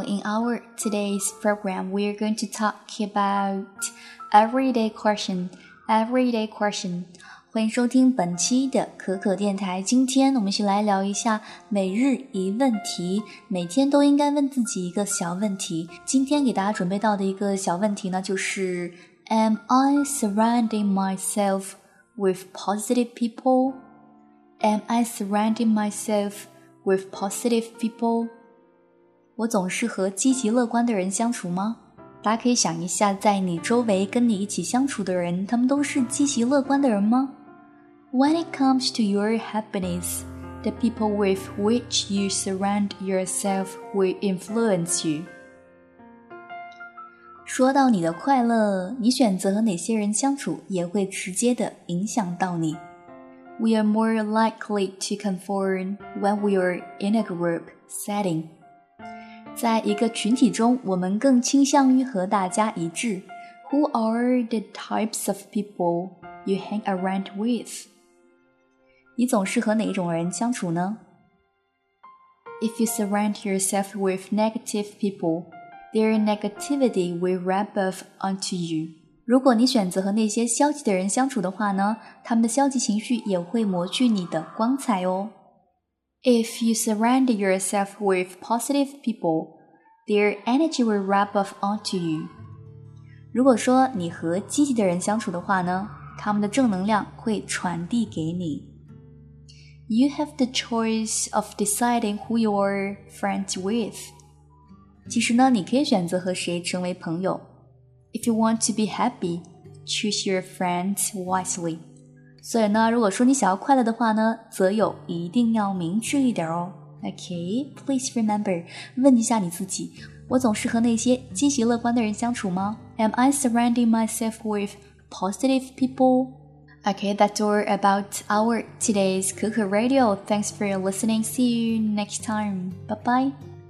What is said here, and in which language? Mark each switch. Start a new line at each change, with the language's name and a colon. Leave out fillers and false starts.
English: In our today's program, we are going to talk about everyday question. Everyday question.
Chinese: 欢迎收听本期的可可电台。今天我们先来聊一下每日一问题，每天都应该问自己一个小问题。今天给大家准备到的一个小问题呢，就是
English: Am I surrounding myself with positive people?
Chinese: Am I surrounding myself with positive people? 我总是和积极乐观的人相处吗？大家可以想一下，在你周围跟你一起相处的人，他们都是积极乐观的人吗？
English: When it comes to your happiness, the people with which you surround yourself will influence you.
Chinese: 说到你的快乐，你选择和哪些人相处也会直接的影响到你。
English: We are more likely to conform when we are in a group setting.
Chinese: 在一个群体中，我们更倾向于和大家一致。
English: Who are the types of people you hang around with?
Chinese: 你总是和哪种人相处呢？
English: If you surround yourself with negative people, their negativity will rub off onto you.
Chinese: 如果你选择和那些消极的人相处的话呢，他们的消极情绪也会抹去你的光彩哦。
English: If you surround yourself with positive people, their energy will rub off onto you.
Chinese: 如果说你和积极的人相处的话呢，他们的正能量会传递给你。
English: You have the choice of deciding who you are friends with.
Chinese: 其实呢，你可以选择和谁成为朋友。
English: If you want to be happy, choose your friends wisely.
Chinese: 所以呢，如果说你想要快乐的话呢，择友一定要明智一点哦。
English: Okay, please remember,
Chinese: 问一下你自己，我总是和那些积极乐观的人相处吗？
English: Am I surrounding myself with positive people? Okay, that's all about our today's Kuku Radio. Thanks for your listening. See you next time. Bye-bye.